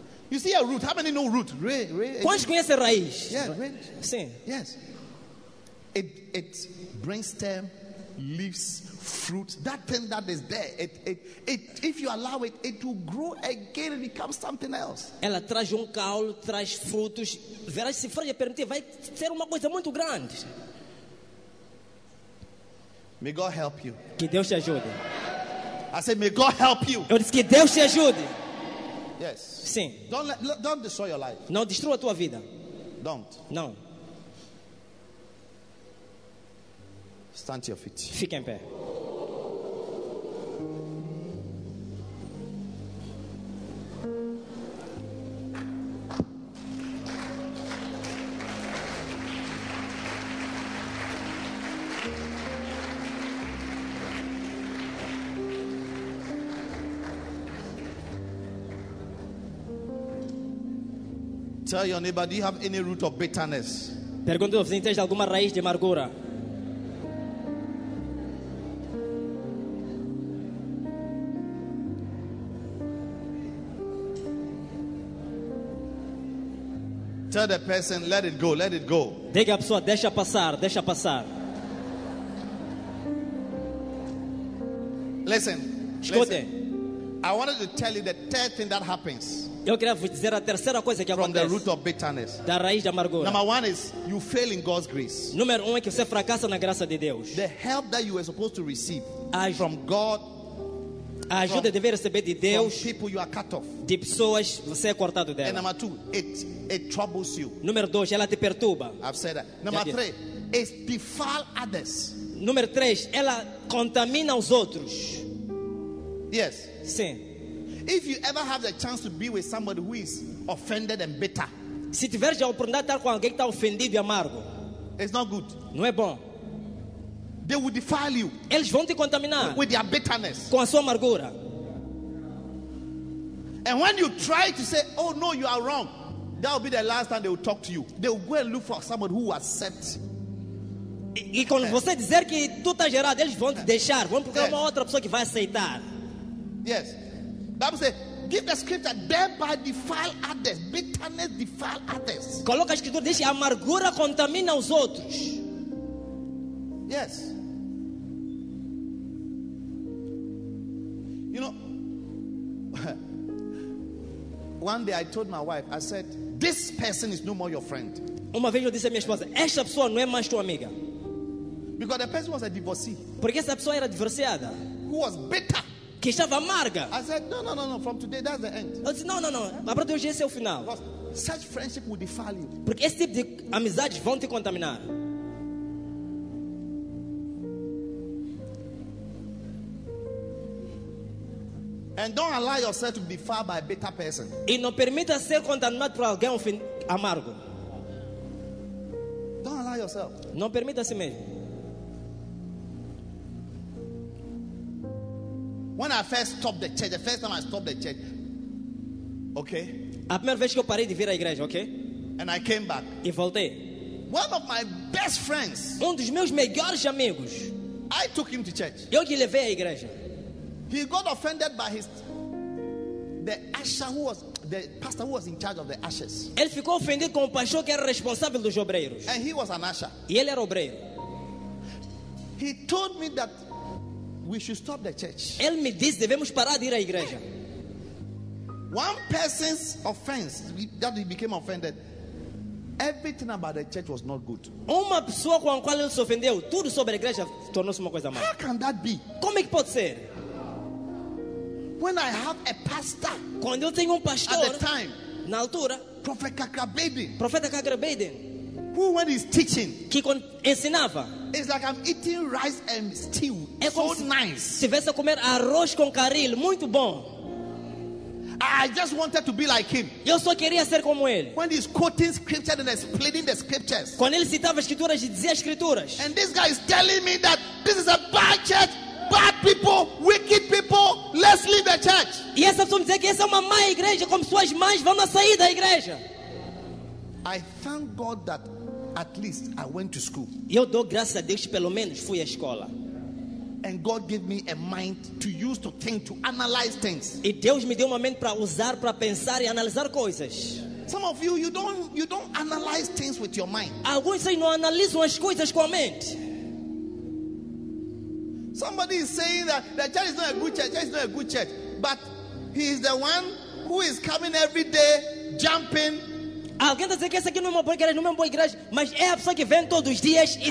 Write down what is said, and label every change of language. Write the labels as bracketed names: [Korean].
[English] You see a root. How many know root? [Portuguese] Quantos conhecem a raiz? [English] Yes. [Portuguese] Sim. [English] Yes. It brings stem, leaves, fruit. That thing that is there, it if you allow it, it will grow again and become something else. [Portuguese] Ela traz caule, traz frutos. Verá se for lhe permitir, vai ser uma coisa muito grande. [English] May God help you. [Portuguese] Que Deus te ajude. [English] I said, may God help you. [Portuguese] Eu disse que Deus te ajude. [English] Yes. [Portuguese] Sim. [English] Don't destroy your life. [Portuguese] Não destrua a tua vida. [English] Don't. [Portuguese] Não. [English] Stand to your feet. [Portuguese] Fique em pé. [English] Tell your neighbor, do you have any root of bitterness? [Portuguese] Pergunte ao vizinho, tem alguma raiz de amargura? [English] Tell the person, let it go, let it go. [Portuguese] Diga a pessoa, deixa passar, deixa passar. [English] Listen, [Portuguese] escute. [English] I wanted to tell you the third thing that happens. [Portuguese] Eu queria vos dizer a terceira coisa que [English] from [Portuguese] acontece. [English] The root of bitterness. [Portuguese] Da raiz de amargura. [English] Number one is you fail in God's grace. [Portuguese] Número um é que você fracassa na graça de Deus. [English] The help that you were supposed to receive from God. [Portuguese] A ajuda deve receber de Deus. [English] From people you are cut off. [Portuguese] De pessoas você é cortado dela. [English] And number two, it troubles you. [Portuguese] Número dois, ela te perturba. [English] I've said that. Number three, it defile others. [Portuguese] Número três, ela contamina os outros. [English] Yes. [Portuguese] Sim. [English] If you ever have the chance to be with somebody who is offended and bitter, [Portuguese] se tiver já oportunidade de estar com alguém que está ofendido e amargo, [English] it's not good. [Portuguese] Não é bom. [English] They will defile you. [Portuguese] Eles vão te contaminar [English] with their bitterness. [Portuguese] Com a sua amargura. [English] And when you try to say, "Oh no, you are wrong," that will be the last time they will talk to you. They will go and look for somebody who will accept. [Portuguese] E quando você dizer que tu está gerado, eles vão te deixar. Vão procurar uma outra pessoa que vai aceitar. [English] Yes. Bible says, give the scripture, thereby defile others. Bitterness defile others. [Portuguese] Coloca a escritura, diz, amargura contamina os outros. [English] Yes. You know, one day I told my wife, I said, this person is no more your friend. [Portuguese] Uma vez eu disse à minha esposa, esta pessoa não é mais tua amiga. [English] Because the person was a divorcee. [Portuguese] Porque essa pessoa era divorciada. [English] Who was bitter. [Portuguese] Que estava amarga. [English] I said, no, from today, that's the end. [Portuguese] Eu disse, não, mas para hoje esse é o final. [English] Because such friendship will defile you. [Portuguese] Porque esse tipo de amizades vão te contaminar. [English] And don't allow yourself to be defiled by a bitter person. [Portuguese] E não permita ser contaminado por alguém amargo. [English] Don't allow yourself. [Portuguese] Não permita a si mesmo. [English] When I first stopped the church, the first time I stopped the church, okay? [Portuguese] A primeira vez que eu parei de vir à igreja, okay? [English] And I came back. [Portuguese] E voltei. [English] One of my best friends. [Portuguese] Um dos meus melhores amigos. [English] I took him to church. [Portuguese] Eu que levei à igreja. [English] He got offended by his the usher who was the pastor who was in charge of the ushers. [Portuguese] Ele ficou ofendido com o pastor que era responsável dos obreiros. [English] And he was an usher. [Portuguese] E ele era obreiro. [English] He told me that we should stop the church. [Portuguese] Ele me disse devemos parar de ir à igreja. [English] One person's offense that he became offended. Everything about the church was not good. [Portuguese] Uma pessoa com a qual ele se ofendeu, tudo sobre a igreja tornou-se uma coisa má. [English] How can that be? [Portuguese] Como é que pode ser? [English] When I have a pastor, [Portuguese] quando eu tenho pastor, [English] at the time, [Portuguese] na altura, [English] Prophet Kakrabedin, who when he's teaching, [Portuguese] que quando ensinava, [English] it's like I'm eating rice and stew, [Portuguese] é [English] so nice. [Portuguese] Se tivesse a comer arroz com caril, muito bom. [English] I just wanted to be like him. [Portuguese] Eu só queria ser como ele. [English] When he's quoting scriptures and explaining the scriptures. [Portuguese] Quando ele citava escrituras e dizia escrituras. [English] And this guy is telling me that this is a bad church, bad people, wicked people. Let's leave the church. [Portuguese] E essa pessoa me dizia que essa é uma má igreja, como suas mães, vamos sair da igreja. [English] I thank God that at least I went to school. [Portuguese] Eu dou graças a Deus que pelo menos fui à escola. [English] And God gave me a mind to use to think, to analyze things. [Portuguese] E Deus me deu uma mente para usar, para pensar e analisar coisas. [English] Some of you, you don't analyze things with your mind. [Portuguese] Alguns dizem não analisam as coisas com a mente. [English] Somebody is saying that the church is not a good church. Church is not a good church. But he is the one who is coming every day, jumping. [Portuguese] Alguém está dizendo que essa aqui não é uma boa igreja, não é uma boa igreja, mas é a pessoa que vem todos os dias e